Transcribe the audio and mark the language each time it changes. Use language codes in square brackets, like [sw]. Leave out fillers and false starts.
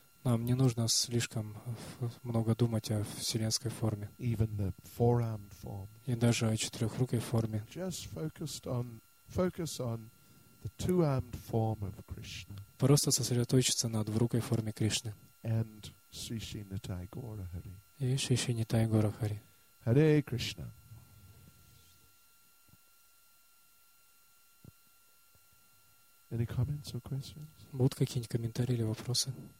[ru] Нам не нужно слишком много думать о вселенской форме. [en] Even the four-armed form. [ru] И даже о четырехрукой форме. [en] Just focus on the two-armed form of Krishna. [ru] Просто сосредоточиться на двурукой форме Кришны. [en] And Sri Sri Nitai Gaura Hari. [ru] И Шри Шри Нитай Гора Хари. Харе Кришна. [en] Any comments or questions? [ru] Будут какие-нибудь комментарии или вопросы?